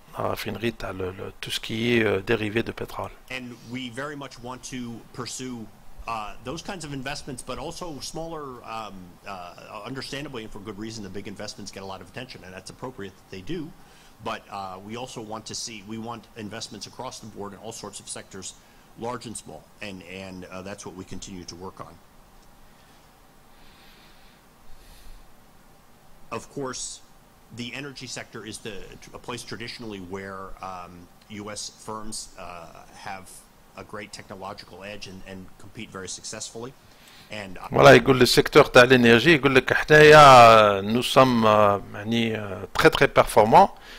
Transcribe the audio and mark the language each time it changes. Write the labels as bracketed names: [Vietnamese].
[French] raffinerie, tu as tout ce qui est dérivé de pétrole. [English] And we very much want to pursue those kinds of investments, but also smaller, understandably and for good reason, the big investments get a lot of attention, and that's appropriate that they do. But we also want to see, we want investments across the board in all sorts of sectors, large and small, and that's what we continue to work on. Of course, the energy sector is a place traditionally where U.S. firms have a great technological edge and compete very successfully. And [French] voilà, il dit le secteur de l'énergie, il dit que nous sommes très très performants.